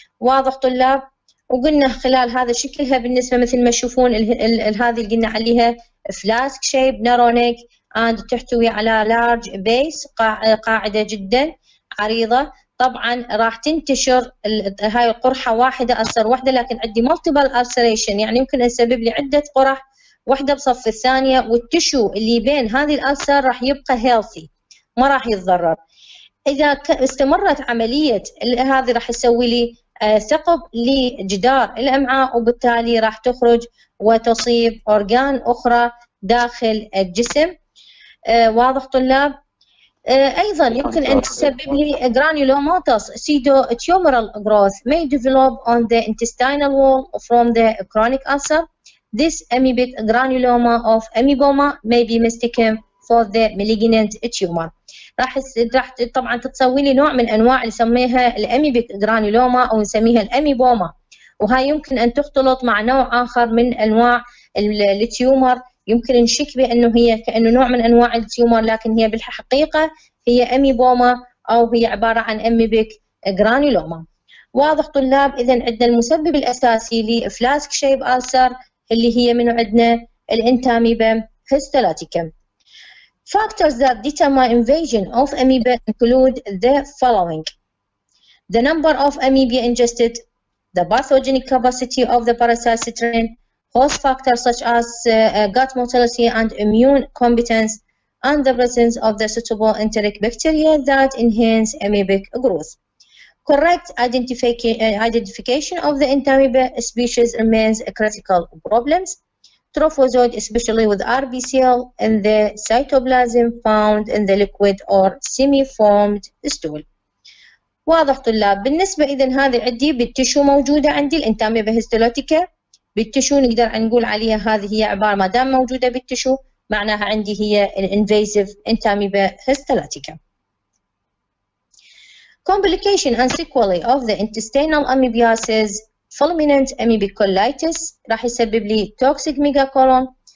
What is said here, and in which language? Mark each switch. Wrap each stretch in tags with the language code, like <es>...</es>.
<ar>واضح طلاب؟ وقلنا خلال هذا شكلها بالنسبة مثل ما تشوفون هذه اللي قلنا عليها فلاسك شيب نارونيك and تحتوي على لارج بيس قاعدة جدا عريضة، طبعا راح تنتشر هاي القرحه واحده أثر واحده لكن عندي مالتيبل ألسريشن، يعني يمكن اسبب لي عده قرح واحده بصف الثانيه، والتشو اللي بين هذه الألسر راح يبقى هيلثي ما راح يتضرر. اذا استمرت عمليه هذه راح يسوي لي ثقب لجدار الامعاء وبالتالي راح تخرج وتصيب اورجان اخرى داخل الجسم. واضح طلاب؟ ايضا يمكن ان تسبب لي</ar> <en>granulomatous pseudo tumoral growth may develop on the intestinal wall from the chronic ulcer. This amoebic granuloma of amoeboma may be mistaken for the malignant tumor.</en> <ar>راح طبعا تتسوي لي نوع من انواع اللي نسميها الاميبيك granuloma او نسميها الاميبوما، وهي يمكن ان تختلط مع نوع اخر من انواع التيومر، يمكن نشك بأنه هي كأنه نوع من أنواع التيومر لكن هي بالحقيقة هي أميبوما أو هي عبارة عن أميبيك جرانيلوما. واضح طلاب؟ إذا عندنا المسبب الأساسي لفلاسك شيب ألسر اللي هي من عندنا الانتاميبا هيستولاتيكا.</ar> <en>Factors that determine invasion of amoeba include the following: the number of amoeba ingested, the pathogenic capacity of the parasite strain, host factors such as gut motility and immune competence, and the presence of the suitable enteric bacteria that enhance amoebic growth. correct identification of the entamoeba species remains a critical problem. Trophozoite, especially with RBCL and the cytoplasm found in the liquid or semi-formed stool.</en> <ar>واضح طلاب بالنسبة إذا هذه عندي بالتشو موجودة عندي الانتاميبا هيستولوتيكا بالتشو نقدر نقول عليها هذه هي عبارة ما دام موجودة بالتشو معناها عندي هي الانفايزيف انتاميبا هيستولوتيكا.</ar> <en>Complication and sequelae of the intestinal amoebiasis fulminant amoebic colitis</en> <ar>راح يسبب لي</ar> <en>toxic megacolon</en>